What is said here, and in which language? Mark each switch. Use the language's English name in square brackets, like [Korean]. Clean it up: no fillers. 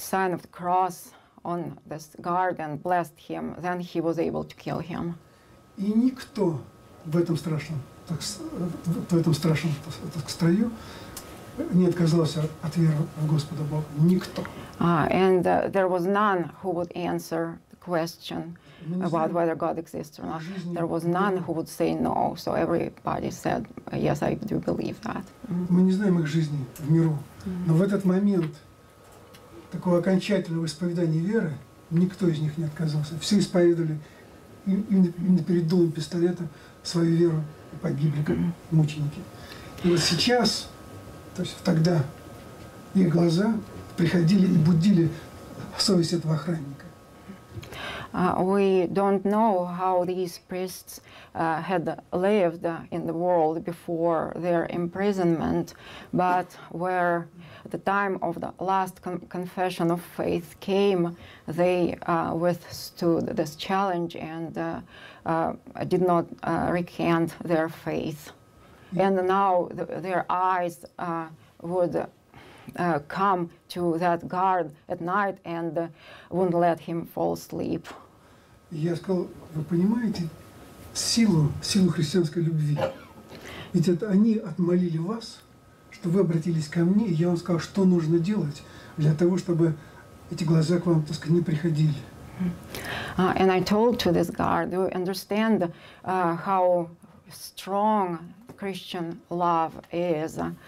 [English] sign of the cross on this guard and blessed him. Then he was able to kill him. [Russian] И никто в этом страшном строю не отказался от веры в Господа Бога. Никто. [English] And there was none who would answer the question about whether God exists or not. There was none who would say no. So everybody said, yes, I do believe that. [Russian] Мы не знаем их жизни в миру. Но в этот момент такого окончательного исповедания веры никто из них не отказался. Все исповедовали именно перед дулом пистолета свою веру и погибли как мученики. И вот сейчас, то есть тогда, их глаза приходили и будили совесть этого охранника. [English] We don't know how these priests had lived in the world before their imprisonment, but where the time of the last confession of faith came, they withstood this challenge and did not recant their faith. And now their eyes would come to that guard at night and wouldn't let him fall asleep. [Russian] Я сказал, вы понимаете силу христианской любви? Ведь это они отмолили вас, что вы обратились ко мне, и я вам сказал, что нужно делать для того, чтобы эти глаза к вам, так сказать, не приходили. [English] And I told to this guard, do you understand how strong Christian love is?